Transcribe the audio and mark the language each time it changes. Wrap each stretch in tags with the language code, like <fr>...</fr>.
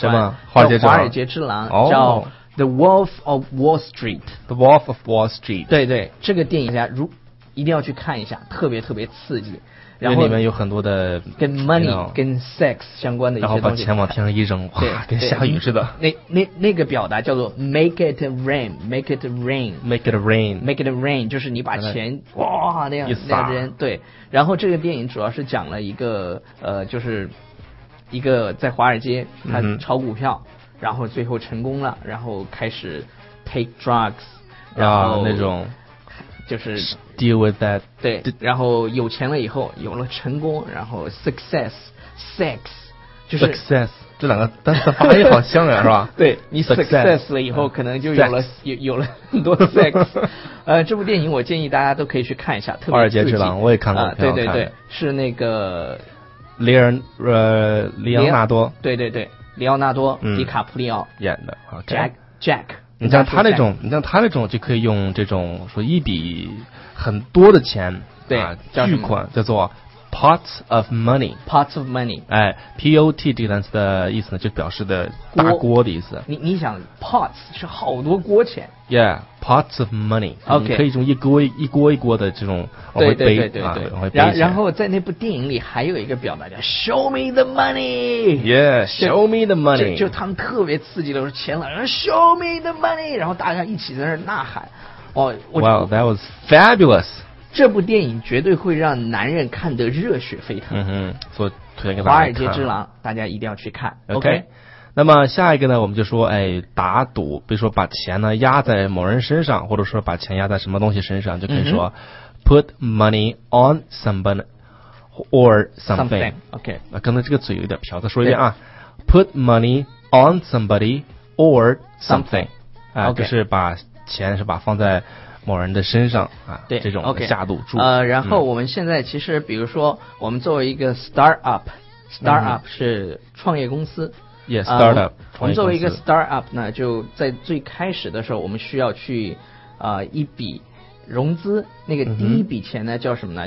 <zh>什么？华尔街之狼，叫。</zh> <en>The Wolf of Wall Street. The Wolf of Wall Street.</en> <zh>对对，这个电影家如一定要去看一下，特别特别刺激。因为里面有很多的跟 money 跟 sex 相关的一些东西。然后把钱往天上一扔，哇，跟下雨似的。那个表达叫做</zh> <en>make it rain, make it rain, make it rain, make it rain，</en> <zh>就是你把钱哇那样扔。对，然后这个电影主要是讲了一个就是一个在华尔街他炒股票。嗯，然后最后成功了，然后开始</zh> <en>take drugs，</en> <zh>然后、那种就是</zh> <en>deal with that，</en> <zh>对，然后有钱了以后有了成功，然后 success sex 就是 success 这两个单词发音好像呀，是吧？对，你 success 了以后可能就有了很多 sex。这部电影我建议大家都可以去看一下，特别刺激。华尔街之狼我也看过、对对对，是那个里昂纳多，对对对，里奥纳多、迪卡普里奥演的、okay、</zh> <en>Jack，</en> <zh>你像他那种就可以用这种说一笔很多的钱，对、巨款，叫做</zh> <en>pots of money， pots of money，</en> <zh>POT 这个单词的意思呢，就表示的大锅的意思。你想 pots 是好多锅钱，</zh> <en>yeah， pots of money， OK，</en> <zh>可以用一锅一锅的这种往回背。然后在那部电影里还有一个表达叫</zh> <en>show me the money， yeah， show me the money，</en> <zh>就他们特别刺激的是钱了，</zh> <en>show me the money，</en> <zh>然后大家一起在那呐喊。</zh> <en>Wow， that was fabulous。</en> <zh>这部电影绝对会让男人看得热血沸腾。嗯哼，所以推荐给大家看华尔街之狼，大家一定要去看。 OK， 那么下一个呢，我们就说打赌，比如说把钱呢压在某人身上，或者说把钱压在什么东西身上，就可以说</zh> <en>put money on someone or something. OK，</en> <zh>刚才这个嘴有点瓢，再说一遍啊。</zh> <en>Put money on somebody or something. OK，</en> <zh>就是把钱是吧放在某人的身上啊。对，这种下赌注。</zh> <en>Okay.</en> <zh>然后我们现在其实比如说我们作为一个 startup 是创业公司。</zh> <en>Yes, startup.</en> <zh>我们作为一个 startup 呢，就在最开始的时候我们需要去一笔融资，那个第一笔钱呢叫什么呢？</zh>